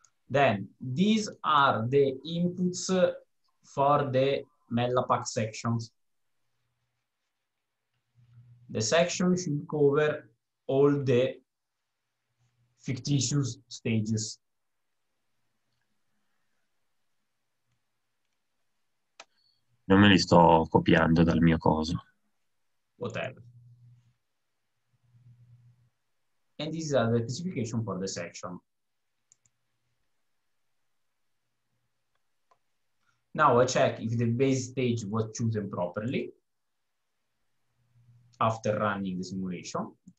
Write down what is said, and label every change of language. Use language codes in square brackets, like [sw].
[en] Then these are the inputs for the Mellapack sections. The section should cover all the fictitious stages. [it] Non me li sto copiando dal mio coso. [en] Whatever. And these are the specification for the section. Now I check if the base stage was chosen properly after running the simulation.